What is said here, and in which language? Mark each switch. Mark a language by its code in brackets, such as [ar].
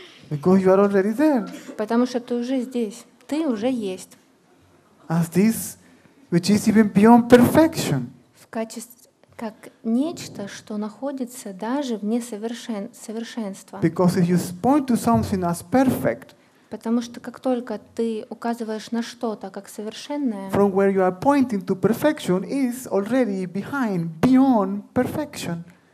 [en] Because you are already there. [ru] Потому что ты уже здесь. Ты уже есть. [en] As this, which is even beyond perfection. [ru] Как нечто, что находится даже вне совершенства. [en] Because if you point to something as perfect, [ru] потому что как только ты указываешь на что-то как совершенное, [en] from where you are pointing to perfection is already behind, beyond perfection.